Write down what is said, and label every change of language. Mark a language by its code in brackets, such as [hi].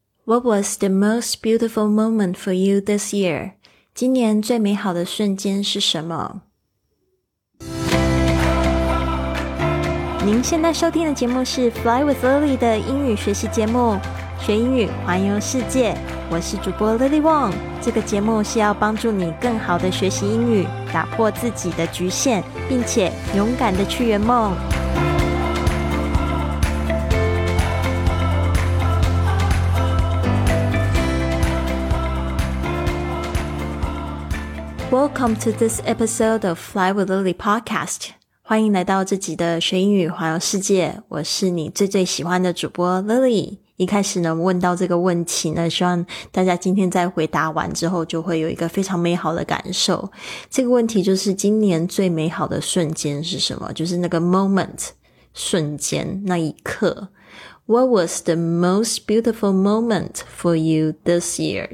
[en] What was the most beautiful moment for you this year? [zh] 今年最美好的瞬间是什么？您现在收听的节目是 Fly with Lily 的英语学习节目，学英语，环游世界。我是主播 Lily Wong。这个节目是要帮助你更好的学习英语，打破自己的局限，并且勇敢的去圆梦。 [en] Welcome to this episode of Fly with Lily podcast. [zh] 欢迎来到这集的学英语环游世界，我是你最最喜欢的主播 Lily。一开始呢，问到这个问题呢，希望大家今天在回答完之后就会有一个非常美好的感受。这个问题就是今年最美好的瞬间是什么，就是那个 moment 瞬间那一刻。 [en] What was the most beautiful moment for you this year?